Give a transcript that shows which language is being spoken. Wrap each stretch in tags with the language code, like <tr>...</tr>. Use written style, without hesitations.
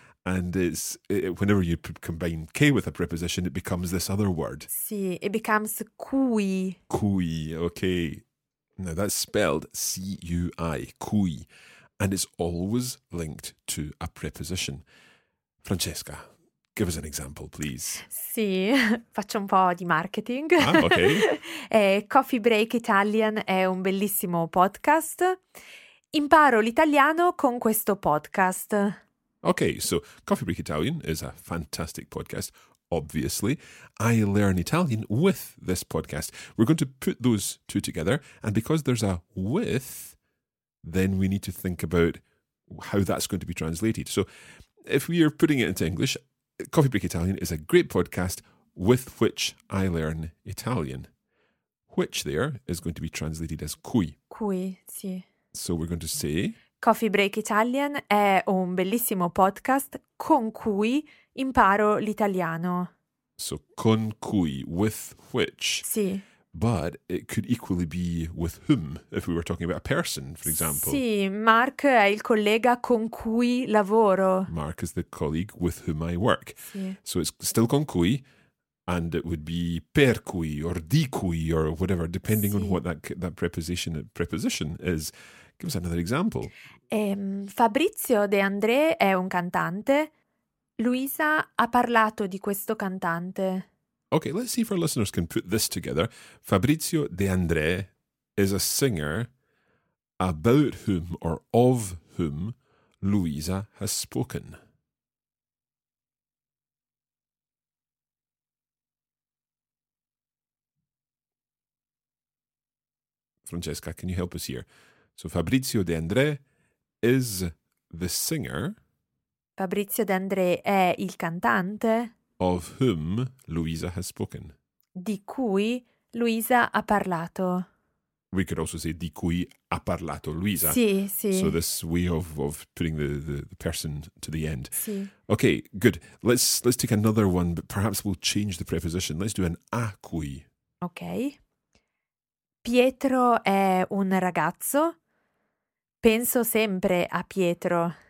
<en>And whenever you combine che with a preposition, it becomes this other word. Sì, it becomes cui. Cui, okay. Now that's spelled C-U-I, cui. And it's always linked to a preposition. Francesca, give us an example, please.</en> <it>Sì, faccio un po' di marketing.</it> <en>Ah, okay.</en> <it>Coffee Break Italian è un bellissimo podcast. Imparo l'italiano con questo podcast.</it> <en>Okay, so Coffee Break Italian is a fantastic podcast, obviously. I learn Italian with this podcast. We're going to put those two together, and because there's a with, then we need to think about how that's going to be translated. So if we are putting it into English, Coffee Break Italian is a great podcast with which I learn Italian. Which there is going to be translated as cui.</en> <it>Cui, sì.</it> <en>So we're going to say</en> <it>Coffee Break Italian è un bellissimo podcast con cui imparo l'italiano.</it> <en>So,</en> <it>con cui,</it> <en>with which.</en> <it>Sì.</it> <en>But it could equally be with whom, if we were talking about a person, for example.</en> <it>Sì, Mark è il collega con cui lavoro.</it> <en>Mark is the colleague with whom I work.</en> <it>Sì.</it> <en>So it's still con cui, and it would be per cui, or di cui, or whatever, depending sì. on what that preposition is. Give us another example.</en> <it>Fabrizio De André è un cantante. Luisa ha parlato di questo cantante.</it> <en>Okay, let's see if our listeners can put this together. Fabrizio De André is a singer about whom or of whom Luisa has spoken. Francesca, can you help us here? So Fabrizio De André is the singer.</en> <it>Fabrizio De André è il cantante.</it> <en>Of whom Luisa has spoken.</en> <it>Di cui Luisa ha parlato.</it> <en>We could also say</en> <it>di cui ha parlato Luisa. Sì, sì.</it> <en>So this way of putting the person to the end.</en> <it>Sì.</it> <en>Okay, good. Let's take another one, but perhaps we'll change the preposition. Let's do an a cui.</en> <it>Okay. Pietro è un ragazzo. Penso sempre a Pietro.</it>